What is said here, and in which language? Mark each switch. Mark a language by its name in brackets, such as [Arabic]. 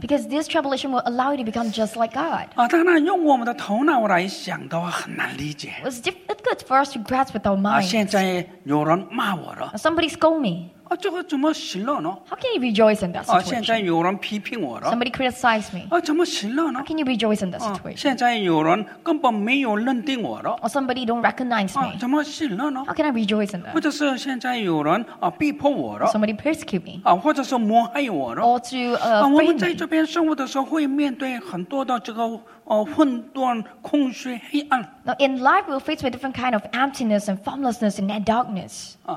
[English] Because this tribulation will allow you to become just like God. [Chinese] 当然用我们的头脑来想的话很难理解. [English] It's difficult for us to grasp with our minds. [Chinese] 现在有人骂我了. [English] Somebody scold me. [Chinese] 这个怎么行了呢? [English] How can you rejoice in that situation? [Chinese] 现在有人批评我了? [English] Somebody criticized me. [Chinese] 怎么行了呢? [English] How can you rejoice in that situation? [Chinese] 现在有人根本没有认定我了? [English] Or somebody don't recognize me. [Chinese] 怎么行了呢? [English] How can I rejoice in that? [Chinese] 或者是现在有人逼迫我了? [English] Somebody persecute me. [Chinese] 或者是谋害我了? [English] Or to frame me. [Chinese] 我们在这边生活的时候会面对很多的这个 混乱、空虚、黑暗。 [English] Now in life, we're faced with different kind of emptiness and formlessness and darkness.